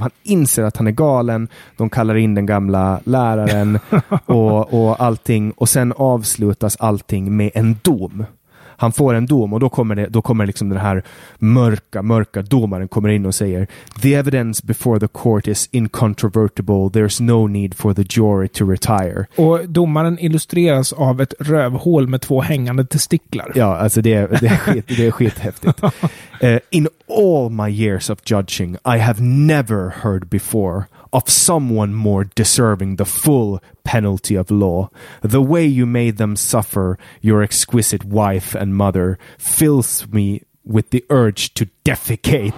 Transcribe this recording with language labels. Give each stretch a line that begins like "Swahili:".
Swedish: Han inser att han är galen. De kallar in den gamla läraren och allting. Och sen avslutas allting med en dom. Han får en dom och då kommer liksom den här mörka domaren kommer in och säger:
English: "The evidence before the court is incontrovertible. There's no need for the jury to retire."
Swedish: Och domaren illustreras av ett rövhål med två hängande testiklar. Ja, alltså det är skithäftigt.
English: "In all my years of judging, I have never heard before of someone more deserving the full penalty of law. The way you made them suffer, your exquisite wife and mother, fills me with the urge to defecate."